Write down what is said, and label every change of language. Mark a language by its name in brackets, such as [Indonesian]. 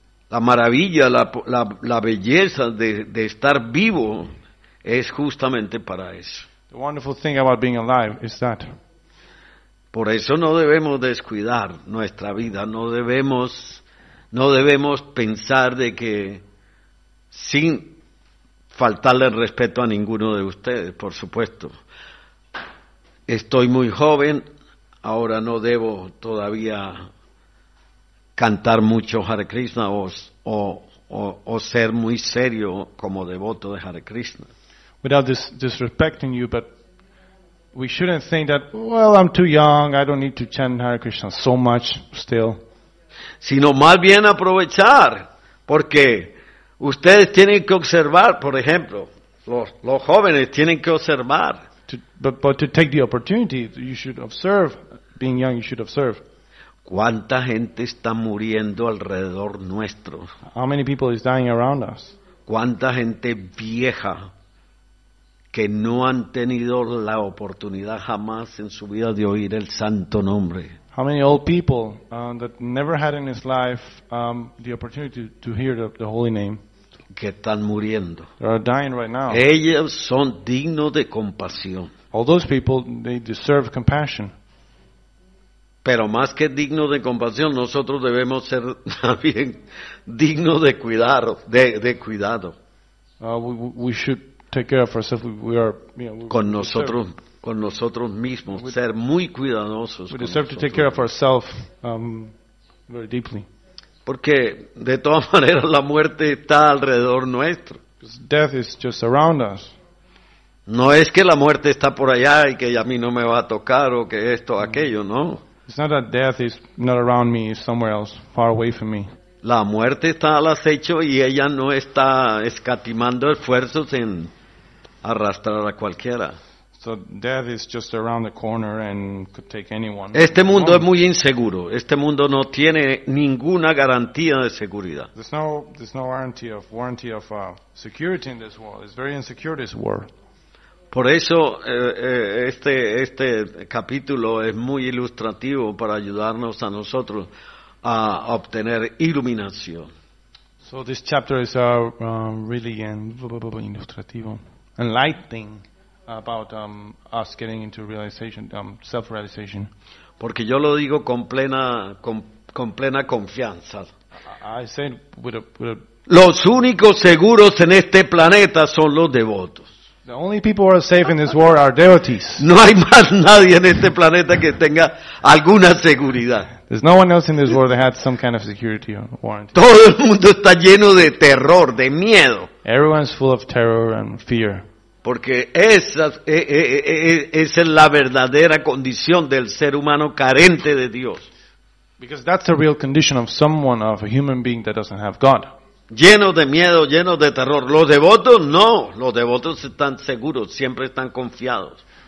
[Spanish] La maravilla, la belleza de estar vivo es justamente para eso. [English] The wonderful thing about being alive is that. [Spanish] Por eso no debemos descuidar nuestra vida, no debemos pensar de que sin faltarle el respeto a ninguno de ustedes, por supuesto. Estoy muy joven, ahora no debo todavía cantar mucho Hare Krishna o ser muy serio como devoto de Hare Krishna. [English] Without disrespecting you, but we shouldn't think that, well, I'm too young, I don't need to chant Hare Krishna so much still. [Spanish] Sino más bien aprovechar, porque ustedes tienen que observar, por ejemplo, los jóvenes tienen que observar. [English] But to take the opportunity, you should observe. Being young, you should observe. [Spanish] ¿Cuánta gente está muriendo alrededor nuestro? [English] How many people is dying around us? [Spanish] ¿Cuánta gente vieja que no han tenido la oportunidad jamás en su vida de oír el santo nombre? [English] How many old people that never had in his life the opportunity to hear the holy name? [Spanish] Que están muriendo. [English] They are dying right now. [Spanish] Ellos son dignos de compasión. [English] All those people, they deserve compassion. [Spanish] Pero más que dignos de compasión, nosotros debemos ser también dignos de cuidado. De cuidado. [English] We should take care of ourselves. We are, you know, [Spanish] con nosotros. Con nosotros mismos, ser muy cuidadosos. [English] We deserve to take care of ourselves very deeply. [Spanish] Porque de todas maneras la muerte está alrededor nuestro. [English] Death is just around us. [Spanish] No es que la muerte está por allá y que a mí no me va a tocar o que esto o aquello, no. [English] It's not that death is not around me, it's somewhere else, far away from me. [Spanish] La muerte está al acecho y ella no está escatimando esfuerzos en arrastrar a cualquiera. [English] So death is just around the corner and could take anyone. [Spanish] Este mundo es muy inseguro. Este mundo no tiene ninguna garantía de seguridad. [English] There's no warranty of security in this world. It's very insecure, this world. [Spanish] Por eso este capítulo es muy ilustrativo para ayudarnos a nosotros a obtener iluminación. [English] So this chapter is really ilustrativo, enlightening. About us getting into realization, self-realization. [Spanish] Porque yo lo digo con plena confianza. [English] I said with a [Spanish] los únicos seguros en este planeta son los devotos. [English] The only people who are safe in this world are devotees. [Spanish] No hay más nadie en este planeta que tenga alguna seguridad. [English] There's no one else in this world that had some kind of security or warranty. [Spanish] Todo el mundo está lleno de terror, de miedo. [English] Everyone's full of terror and fear. [Spanish] Porque esa es la verdadera condición del ser humano carente de Dios. [English] Because that's the real condition of someone, of a human being that doesn't have God. [Spanish] Lleno de miedo, lleno de terror. Los devotos no. Los devotos están seguros, siempre están confiados.